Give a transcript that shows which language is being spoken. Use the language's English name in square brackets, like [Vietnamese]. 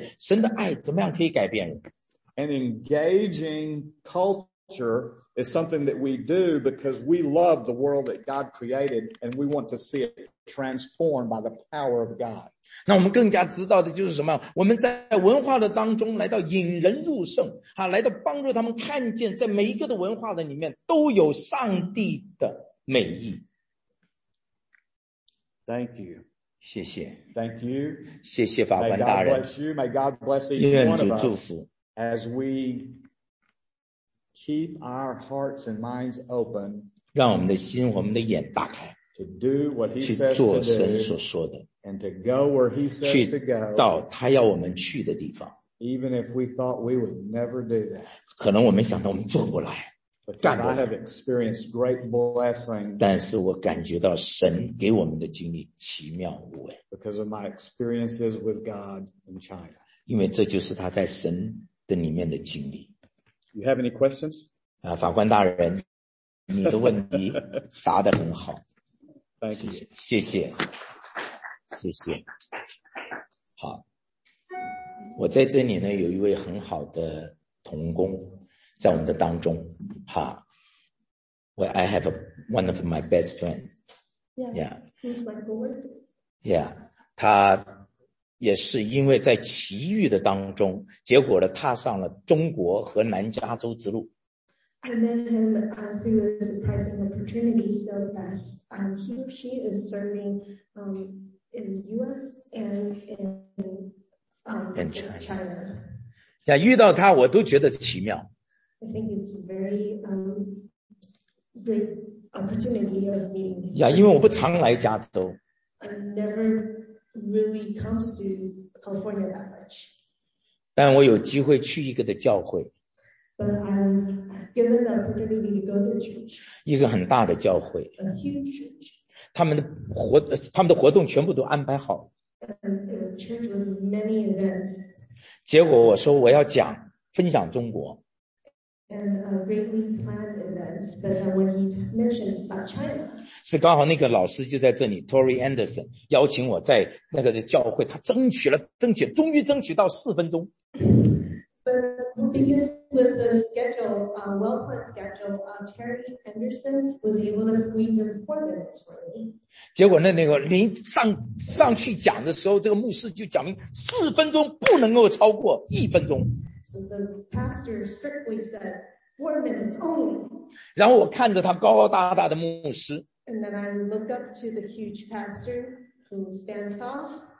[Chinese] 那我们就是说怎么样，这样做其余的那些慕道者的时候，其实是让我们看见神的爱怎么样可以改变人。 [English] And engaging culture is something that we do because we love the world that God created and we want to see it transformed by the power of God. [Chinese] 那我们更加知道的就是什么？我们在文化的当中来到引人入胜，啊，来到帮助他们看见，在每一个的文化的里面都有上帝的美意。 [English] Thank you. [Chinese] 谢谢. [English] Thank you. [Chinese] 谢谢法官大人。 [English] May God bless you. May God bless each one of us. [Chinese] 愿主祝福。 [English] As we keep our hearts and minds open, [Chinese] 让我们的心，我们的眼打开。 [English] To do what he says to do, and to go where he says to go, [Chinese] 去到他要我们去的地方, [English] even if we thought we would never do that, [Chinese] 可能我们想到我们做不来, [English] because I have experienced great blessings, [Chinese] 但是我感觉到神给我们的经历奇妙无畏, [English] because of my experiences with God in China, [Chinese] 因为这就是他在神的里面的经历。 [English] You have any questions? [Chinese] 法官大人，你的问题答得很好。谢谢，谢谢。好，我在这里呢有一位很好的同工在我们的当中。 [English] 哈 ，Well, I have one of my best friend. Yeah, he's my boy. [Chinese] Yeah, 他也是因为在奇遇的当中，结果呢踏上了中国和南加州之路。 [English] I met him through a surprising opportunity, so that he or she is serving in the U.S. and in China. [Chinese] Yeah, 遇到他我都觉得奇妙。 [English] I think it's a very great opportunity of meeting him. [Chinese] Yeah, 因为我不常来加州。 [English] I never really comes to California that much. [Chinese] 但我有机会去一个的教会。 [English] But I was given the opportunity to go to church. [Chinese] 一个很大的教会。 [English] A huge church. [Chinese] 他们的活动全部都安排好。 [English] And it was a church with many events. [Chinese] 结果我说我要讲分享中国。 [English] And a greatly planned events, but then when he mentioned about China. [Chinese] 是刚好那个老师就在这里 ,Tori Anderson, 邀请我在那个的教会，他争取终于争取到四分钟。 [English] But because with the schedule, well-planned schedule, Terry Anderson was able to squeeze in 4 minutes for me. [Chinese] 结果那个临上去讲的时候，这个牧师就讲明四分钟不能够超过一分钟。 [English] So the pastor strictly said 4 minutes only. [Chinese] 然后我看着他高高大大的牧师。 [English] And then I looked up to the huge pastor who stands tall.